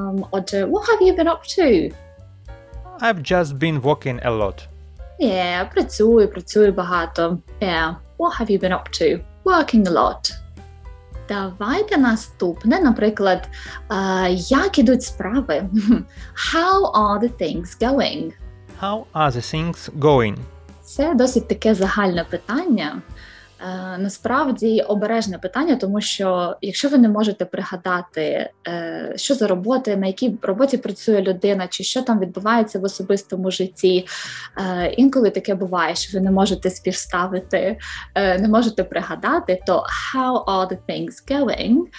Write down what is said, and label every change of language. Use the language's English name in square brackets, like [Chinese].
[English] Отже, «What have you been up to?» – «I've just been walking a lot». [Ukrainian] Yeah, працюю багато. [English] Yeah, «What have you been up to?» – «Working a lot». [Ukrainian] Давайте наступне, наприклад, як ідуть справи? [English] How are the things going? How are the things going? [Ukrainian] Це досить таке загальне питання. Насправді обережне питання, тому що якщо ви не можете пригадати, що за роботи, на якій роботі працює людина, чи що там відбувається в особистому житті, інколи таке буває, що ви не можете співставити, не можете пригадати, то [English] how are the things going?